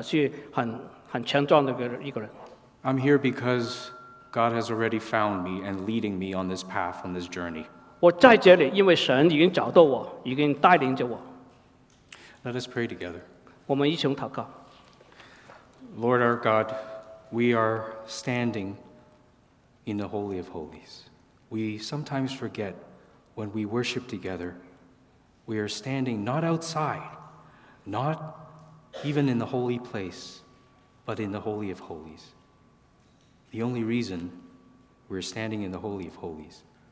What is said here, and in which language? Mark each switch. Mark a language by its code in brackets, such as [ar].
[zh] 我不是在这里，不是因为我是很强壮的一个人。 [en] I'm here because God has already found me and leading me on this path, on this journey. [zh] 我在这里，因为神已经找到我，已经带领着我。 [en] Let us pray together. [zh] 我们一起祷告。 [en] Lord our God, we are standing in the Holy of Holies. We sometimes forget when we worship together. We are standing not outside, not even in the holy place, but in the Holy of Holies. The only reason we're standing in the Holy of Holies